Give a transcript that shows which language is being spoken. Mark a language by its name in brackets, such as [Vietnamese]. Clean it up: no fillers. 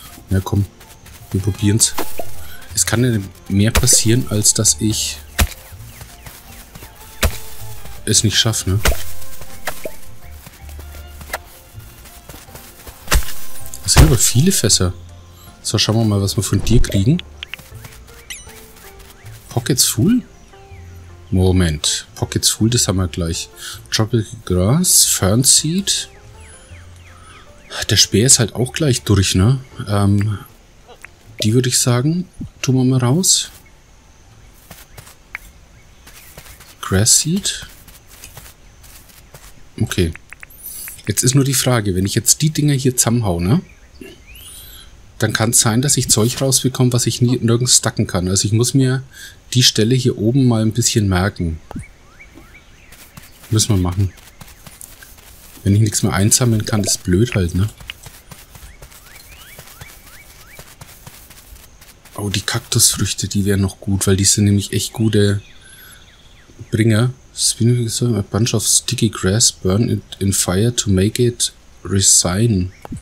[German] Na komm, wir probieren es. Es kann ja mehr passieren, als dass ich es nicht schaffe, ne? Das sind aber viele Fässer. So, schauen wir mal, was wir von dir kriegen. [English] Pockets full? [German] Moment, Pockets Full, das haben wir gleich. [English] Tropical Grass, Fern Seed. [German] Der Speer ist halt auch gleich durch, ne? Die würde ich sagen, tun wir mal raus. [English] Grass Seed. [German] Okay. Jetzt ist nur die Frage, wenn ich jetzt die Dinger hier zusammenhaue, ne? Dann kann es sein, dass ich Zeug rausbekomme, was ich nirgends stacken kann. Also ich muss mir die Stelle hier oben mal ein bisschen merken. Müssen wir machen. Wenn ich nichts mehr einsammeln kann, ist blöd halt, ne? Oh, die Kaktusfrüchte, die wären noch gut, weil die sind nämlich echt gute Bringer. [English] A bunch of sticky grass, burn it in fire to make it resin.